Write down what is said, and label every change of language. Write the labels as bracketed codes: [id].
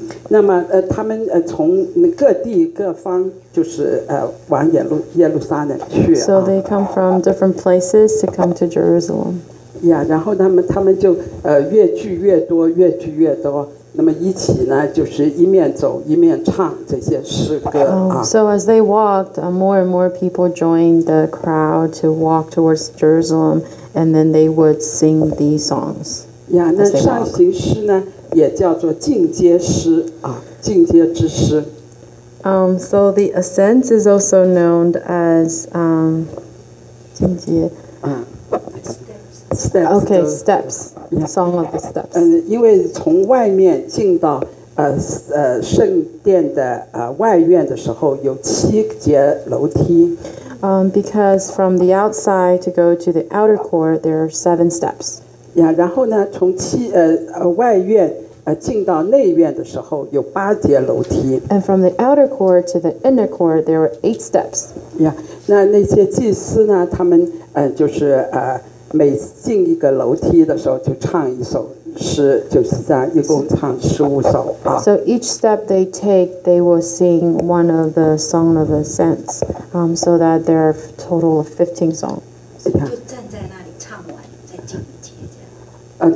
[zh] 那么他们从各地各方就是往耶路撒冷去。 [en] So they come from different places to come to Jerusalem. [zh] 然后他们就越聚越多，越聚越多。那么一起呢，就是一面走一面唱这些诗歌啊。 [en] So as they walked, more and more people joined the crowd to walk towards Jerusalem, and then they would sing these songs. [zh] 那上行诗呢？也叫做进阶诗啊，进阶之诗。 [en] So the ascent is also known as [zh] 进阶。 [en] Steps. Okay, steps. Song of the steps. [zh] 因为从外面进到圣殿的外院的时候，有七节楼梯。 [en] Because from the outside to go to the outer court, there are seven steps. [zh] 然后呢，从外院进到内院的时候有八节楼梯。 [en] And from the outer court to the inner court, there were eight steps. [zh] 那些祭司呢，他们就是每进一个楼梯的时候就唱一首诗，就是这样，一共唱十五首啊。 [en] So each step they take, they will sing one of the song of the ascents, so that there are total of 15 songs. [zh] 就站在那里唱完再进一节。